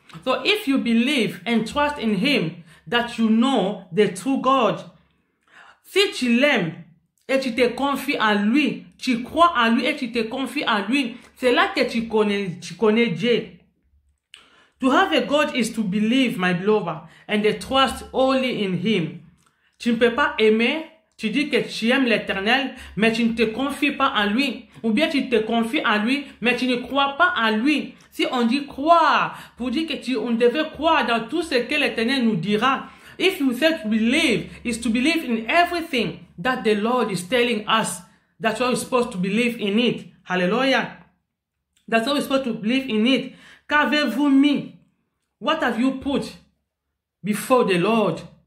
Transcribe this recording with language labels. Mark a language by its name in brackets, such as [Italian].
[English] So if you believe and trust in him, that you know the true God. [French] Si tu l'aimes et tu te confies en lui, tu crois en lui et tu te confies en lui, c'est là que tu connais Dieu. [English] To have a God is to believe, my beloved, and to trust only in him. [French] Tu ne peux pas aimer, tu dis que tu aimes l'Éternel, mais tu ne te confies pas en lui. Ou bien tu te confies en lui, mais tu ne crois pas en lui. Si on dit croire, pour dire que on devait croire dans tout ce que l'Éternel nous dira. [English] If you say to believe, is to believe in everything that the Lord is telling us. That's what we're supposed to believe in it. Hallelujah. That's what we're supposed to believe in it. [French] Qu'avez-vous mis? [English] What have you put before the Lord?